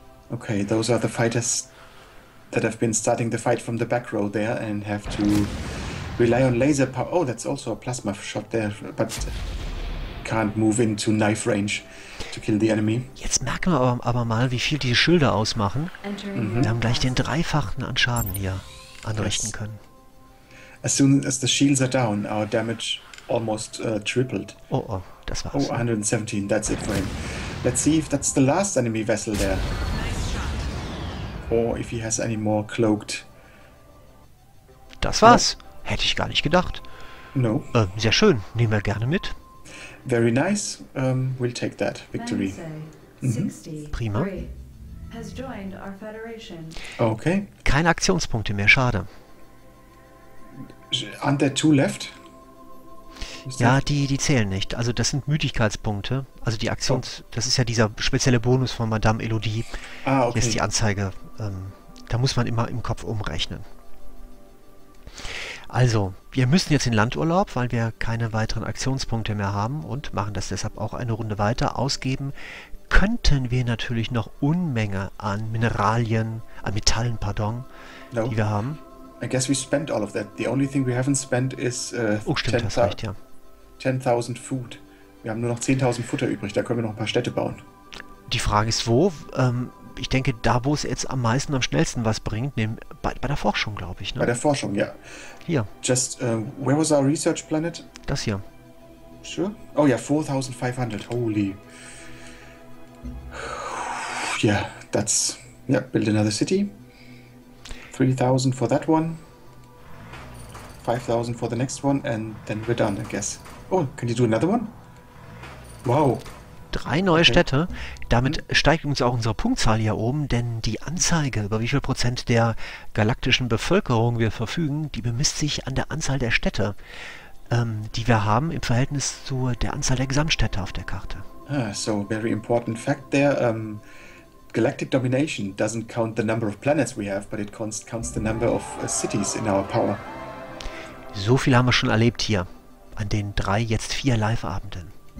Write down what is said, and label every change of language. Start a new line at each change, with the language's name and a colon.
English: Okay, those are the fighters that have been starting the fight from the back row there and have to rely on laser power. Oh, that's also a plasma shot there, but can't move into knife range to kill the enemy.
German: Jetzt merken wir aber mal, wie viel diese Schilde ausmachen. Wir haben gleich den Dreifachen an Schaden hier anrichten können.
English: As soon as the shields are down, our damage almost tripled.
German: Oh, das war's.
English: Oh, 117, that's it for him. Let's see if that's the last enemy vessel there. Or if he has any more cloaked.
German: Das war's. Oh. Hätte ich gar nicht gedacht.
English: No.
German: Sehr schön. Nehmen wir gerne mit.
English: Very nice. We'll take that. Victory.
German: Prima.
English: Has joined our Federation. Okay.
German: Keine Aktionspunkte mehr. Schade.
English: Aren't there two left?
German: Ja, die zählen nicht. Also das sind Müdigkeitspunkte. Also die Aktions... Oh. Das ist ja dieser spezielle Bonus von Madame Elodie. Ah, okay. Ist die Anzeige. Da muss man immer im Kopf umrechnen. Also, wir müssen jetzt in Landurlaub, weil wir keine weiteren Aktionspunkte mehr haben und machen das deshalb auch eine Runde weiter. Ausgeben könnten wir natürlich noch Unmenge an Metallen, pardon,
English: no.
German: Die wir haben.
English: I guess we spent all of that. The only thing we haven't spent is 10,000 food.
German: Wir haben nur noch 10.000 Futter übrig, da können wir noch ein paar Städte bauen. Die Frage ist, wo? Ich denke, da, wo es jetzt am meisten, am schnellsten was bringt, bei der Forschung, glaube ich. Ne? Bei der Forschung, ja. Hier.
English: Just, where was our research planet?
German: Das hier.
English: Sure?
German: Oh ja,
English: 4.500, holy. Yeah, that's... Yeah, build another city. 3.000 for that one. 5.000 for the next one, and then we're done, I guess. Oh, can you do another one? Wow.
German: Drei neue Städte. Damit steigt uns auch unsere Punktzahl hier oben, denn die Anzeige, über wie viel Prozent der galaktischen Bevölkerung wir verfügen, die bemisst sich an der Anzahl der Städte, die wir haben im Verhältnis zu der Anzahl der Gesamtstädte auf der Karte.
English: Ah, so, very important fact there. Galactic domination doesn't count the number of planets we have, but it counts the number of cities in our power.
German: So viel haben wir schon erlebt hier, an den drei, jetzt vier Live-Abenden.